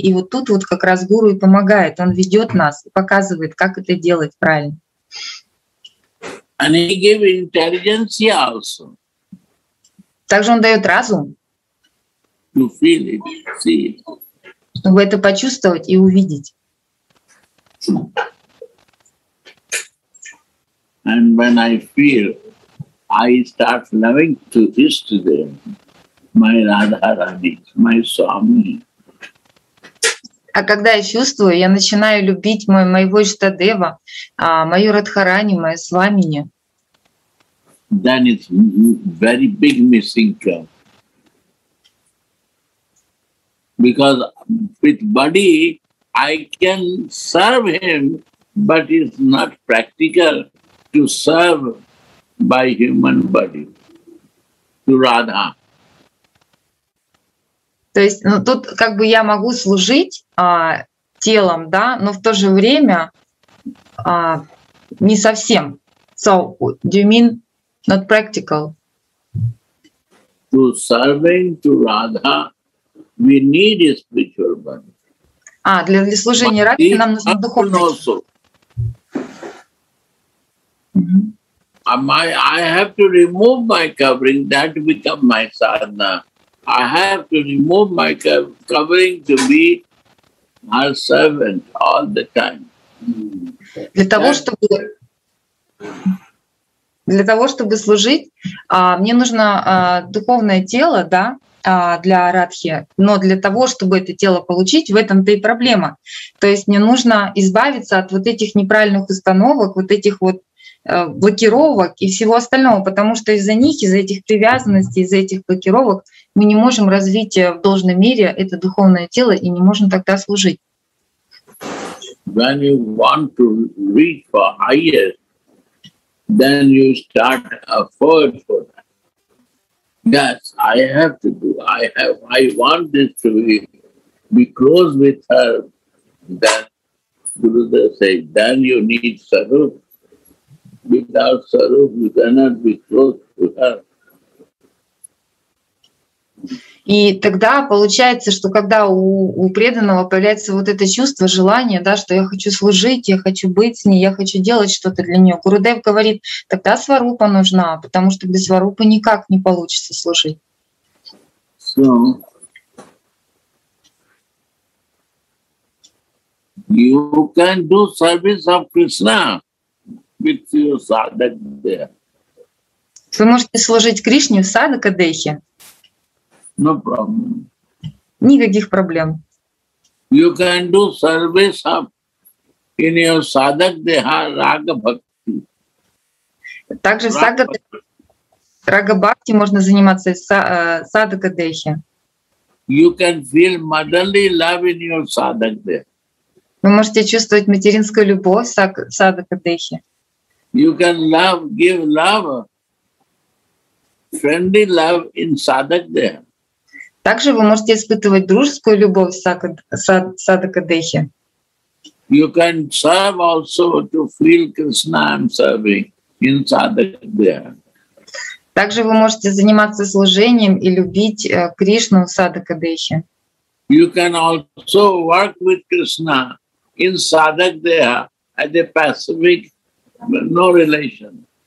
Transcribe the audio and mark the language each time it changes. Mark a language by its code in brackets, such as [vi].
[ru] И вот тут вот как раз гуру и помогает, он ведет нас, показывает, как это делать правильно. [en] And he gave intelligence also. [ru] Также он дает разум. [en] To feel it, see it. [ru] Чтобы это почувствовать и увидеть. [en] And when I feel, I start loving to this to them, my Radharani, my Swami. [ru] А когда я чувствую, я начинаю любить моего Иштадева, мою Радхарани, мою Свамини. [en] Then it's very big missing term. Because with body I can serve him, but it's not practical to serve by human body to Radha. [ru] То есть, ну тут как бы я могу служить телом, да, но в то же время не совсем. [en] So, do you mean not practical? To serving to Radha. We need a spiritual body. [ru] А для служения Радхе нам нужен духовный тело. [en] I have to remove my covering, that become my sadhana. I have to remove my covering to be her servant all the time. [ru] Для того, чтобы служить, мне нужно духовное тело, да? Для Радхи, но для того, чтобы это тело получить, в этом-то и проблема. То есть мне нужно избавиться от вот этих неправильных установок, вот этих вот блокировок и всего остального, потому что из-за них, из-за этих привязанностей, из-за этих блокировок мы не можем развить в должной мере это духовное тело и не можем тогда служить. [en] When you want to reach for higher, then you start a forward for that. Yes, I have to do. I want this to be close with her. Then Gurudev said, then you need Sarup. Without Sarup, you cannot be close to her. [ru] И тогда получается, что когда у преданного появляется вот это чувство, желание, да, что я хочу служить, я хочу быть с ней, я хочу делать что-то для нее. Гурудев говорит, тогда сварупа нужна, потому что без сварупы никак не получится служить. [en] So, you can do service of Krishna with your sadhakadehi. [ru] Вы можете служить Кришне в садхакадехе. [en] No problem. [ru] Никаких проблем. [en] You can do service of in your sadhak deha raga bhakti. [ru] Также в сага бхакти можно заниматься садхака дехи. [en] You can feel motherly love in your sadhak deha. [ru] Вы можете чувствовать материнскую любовь в садхака дехи. [en] You can love, give love, friendly love in sadhak deha. [ru] Также вы можете испытывать дружескую любовь в садхакадехе. [en] You can serve also to feel Krishna I'm serving in садхакадеха. [ru] Также вы можете заниматься служением и любить Кришну в садхакадехе. [en] You can also work with Krishna in садхакадеха as a pacific, no relation.